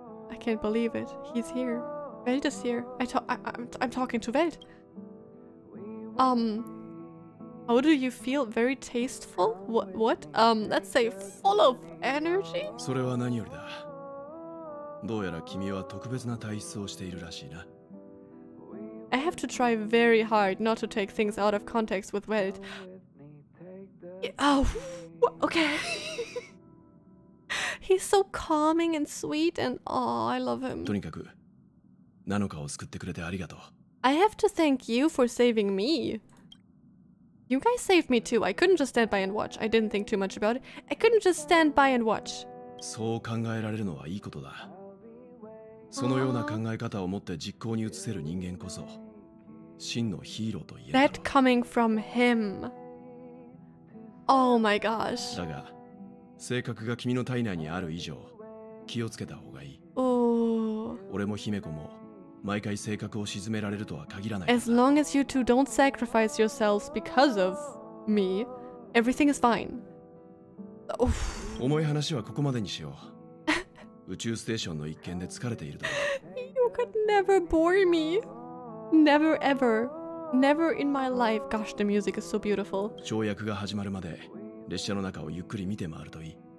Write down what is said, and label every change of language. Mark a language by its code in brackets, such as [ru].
[en] I can't believe it. He's here. Welt is here. I'm talking to Welt. How do you feel? Very tasteful? What? Let's say full of energy? [ja] それは何よりだ。どうやら君は特別な体質をしているらしいな。 [en] I have to try very hard not to take things out of context with Welt. Oh, okay. He's so calming and sweet and I love him. [ja] とにかく、ナノカを救ってくれてありがとう。 [en] I have to thank you for saving me. You guys saved me too. I couldn't just stand by and watch. I didn't think too much about it. I couldn't just stand by and watch. [ja] そう考えられるのはいいことだ。そのような考え方を持って実行に移せる人間こそ真のヒーローと言えるだろう。 [en] That coming from him. Oh my gosh. [ja] だが、性格が君の体内にある以上、気をつけた方がいい。 [en] Oh. [ja] 俺も姫子も毎回性格を沈められるとは限らない。 [en] As long as you two don't sacrifice yourselves because of me, everything is fine. Oh. [ja] 重い話はここまでにしよう。宇宙ステーションの一件で疲れているだろう。 [en] You could never bore me. Never ever. Never in my life. Gosh, the music is so beautiful. [ja] 跳躍が始まるまで列車の中をゆっくり見て回るといい。